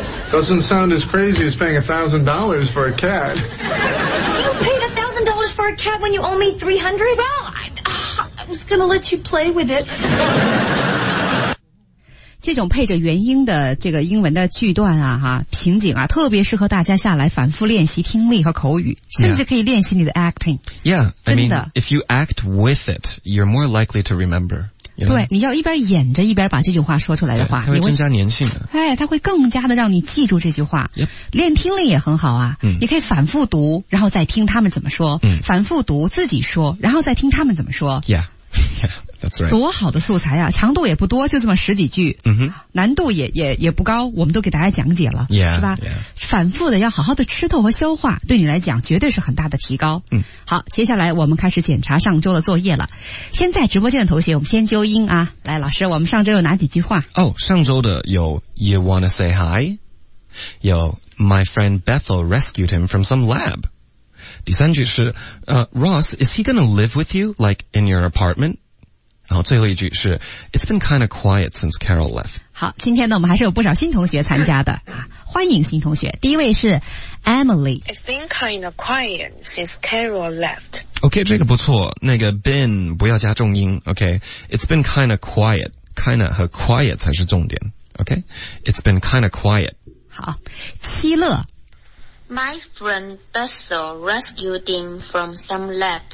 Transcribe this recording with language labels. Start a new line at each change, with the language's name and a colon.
English: Doesn't sound as crazy as paying $1,000 for a cat. You paid $1,000 for a cat when you owe me $300? Well, I was going to let you play with it.
Chinese: 这种配着元音的这个英文的句段啊，哈，情景啊，特别适合大家下来反复练习听力和口语，甚至可以练习你的 acting.
English: Yeah, I mean,
Chinese: 真的。
English: If you act with it, you're more likely to remember. You know?
Chinese: 对，你要一边演着一边把这句话说出来的话，它会增加粘性的。哎，它会更加的让你记住这句话。
English: Yep.
Chinese: 练听力也很好啊，你可以反复读，然后再听他们怎么说。嗯，反复读自己说，然后再听他们怎么说。
English: Yeah. That's right.
Chinese: 多好的素材啊，长度也不多，就这么十几句。 Mm-hmm. 难度也不高，我们都给大家讲解了。
English: Yeah,
Chinese: 是吧、
English: yeah.
Chinese: 反复的要好好的吃透和消化，对你来讲绝对是很大的提高。嗯、mm-hmm. 好，接下来我们开始检查上周的作业了。先在直播间的同学，我们先纠音啊。来老师，我们上周有哪几句话？
English: Oh,
Chinese: 上周的有
English: You wanna say hi? 有 My friend Bethel rescued him from some lab.
Chinese: 第三句是
English: Ross, is he gonna live with you, like in your apartment?
Chinese: 然后最后一句是
English: It's been kind of quiet since Carol left.
Chinese: 好，今天呢我们还是有不少新同学参加的啊，欢迎新同学。第一位是 Emily.
English: It's been kind of quiet since Carol left. OK,
Chinese: 这个不错，那个 been 不要加重音。
English: OK, It's been kind of quiet. Kind of 和 quiet
Chinese: 才是重点。
English: OK, It's been kind of quiet.
Chinese: 好，七乐。
English: My friend Bethel rescued him from some lab.